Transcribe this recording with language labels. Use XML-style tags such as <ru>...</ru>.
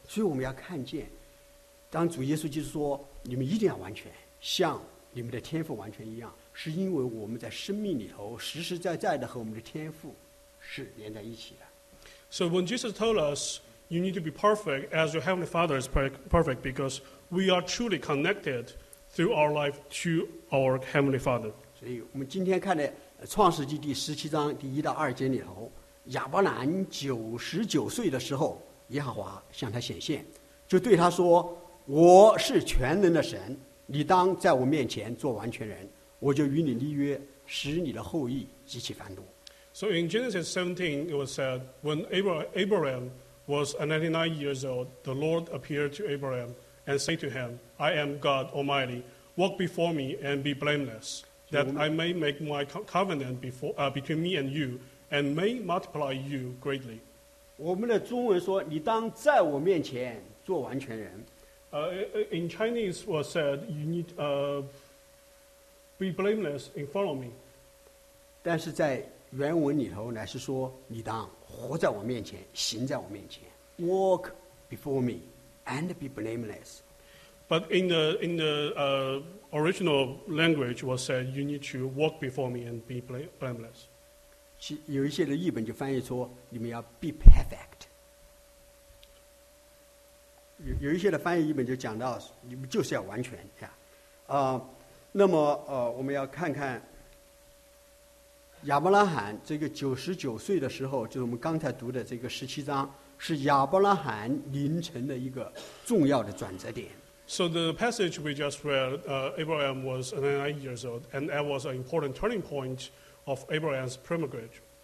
<zh>所以我们要看见，当主耶稣基督说你们一定要完全，像你们的天父完全一样，是因为我们在生命里头实实在在的和我们的天父是连在一起的。</zh> <en>So when Jesus told us you need to be perfect as your Heavenly Father is perfect, because we are truly connected through our life to our Heavenly Father.</en> <zh>所以我们今天看的创世纪第十七章第一到二节里头，亚伯兰九十九岁的时候，耶和华向他显现，就对他说，我是全能的神，你当在我面前做完全人，我就与你立约，使你的后裔极其繁多。</zh> <en>So in Genesis 17 it was said, when Abraham was 99 years old, the Lord appeared to Abraham and said to him, I am God Almighty, walk before me and be blamelessthat I may make my covenant between me and you, and may multiply you greatly.</en> <zh>我们的中文说，你当在我面前做完全人。</zh> <en>In Chinese, it was said, you need be blameless and follow me.</en> <zh>但是在原文里头乃是说，你当活在我面前，行在我面前。</zh> <en>Walk before me and be blameless But in the original language was said, you need to walk before me and be blameless.</en> <zh>有一些的译本就翻译说，你们要</zh> <en>be perfect.</en> <zh>有一些的翻译译本就讲到，你们就是要完全呀。那么我们要看看亚伯拉罕这个九十九岁的时候，就是我们刚才读的这个十七章，是亚伯拉罕灵辰的一个重要的转折点。</zh> <en>So the passage we just read, Abraham was 99 years old, and that was an important turning point of Abraham's pilgrimage.</en>